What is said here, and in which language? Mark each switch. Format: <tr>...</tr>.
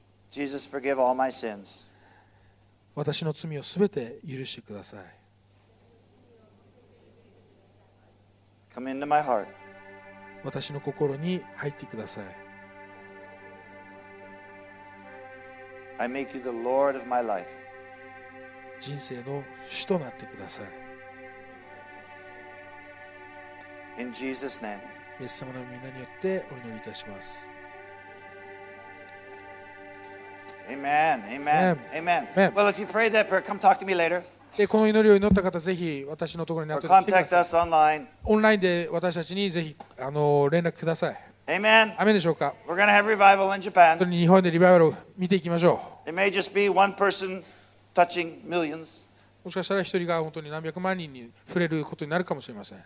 <en>Jesus, forgive all my sins.</en> <ja>私の罪をすべて許してください。</ja> <en>Come into my heart.</en> <ja>私の心に入ってください。</ja> <en>I make you the Lord of my life.</en> <ja>人生の主となってください。</ja> <en>In Jesus' name.</en> <ja>イエス様の御名によってお祈りいたします。</ja> <en>Amen. Amen. Amen. Amen. Well, if you prayed that prayer, come talk to me later.</en> <ja>で、この祈りを祈った方、ぜひ私のところに後で来てください。</ja> <en>Or contact us online.</en> <ja>で私たちにぜひ連絡ください。</ja> <en>Amen.</en> <ja>アメンでしょうか。</ja> <en>We're gonna have revival in Japan.</en> <ja>本当に日本でリバイバルを見ていきましょう。</ja> <en>It may just be one person touching millions.</en> <ja>もしかしたら一人が本当に何百万人に触れることになるかもしれません。</ja>